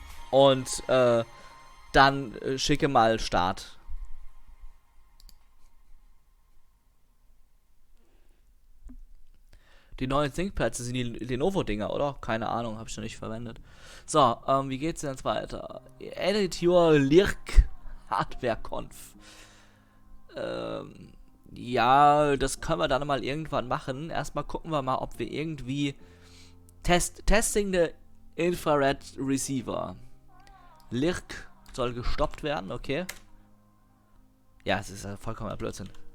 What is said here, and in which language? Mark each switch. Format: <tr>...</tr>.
<de>Und dann schicke mal Start. Die neuen ThinkPads sind die Lenovo-Dinger, oder? Keine Ahnung, habe ich noch nicht verwendet. So, wie geht's denn jetzt weiter?</de> <en>Edit your Lirk Hardware Conf.</en> <de>Ja, das können wir dann mal irgendwann machen. Erstmal gucken wir mal, ob wir irgendwie</de> <en>Testing the Infrared Receiver.</en> <de>Lirk soll gestoppt werden, okay. Ja, es ist vollkommen Blödsinn.</de>